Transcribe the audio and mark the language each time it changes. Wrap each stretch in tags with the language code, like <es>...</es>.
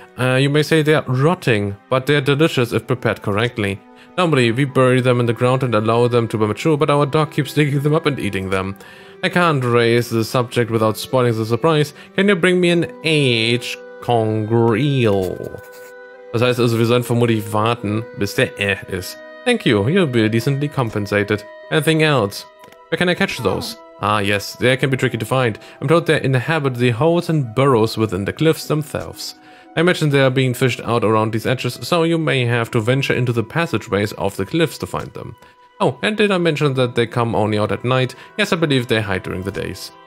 <en>You may say they're rotting, but they're delicious if prepared correctly. Normally, we bury them in the ground and allow them to mature, but our dog keeps digging them up and eating them. I can't raise the subject without spoiling the surprise. Can you bring me an aged conger eel?</en> <de>Das heißt also, wir sollen vermutlich warten, bis der ist.</de> <en>Thank you, you'll be decently compensated. Anything else? Where can I catch those? Ah yes, they can be tricky to find. I'm told they inhabit the holes and burrows within the cliffs themselves. I imagine they are being fished out around these edges, so you may have to venture into the passageways of the cliffs to find them. Oh, and did I mention that they come only out at night? Yes, I believe they hide during the days.</en>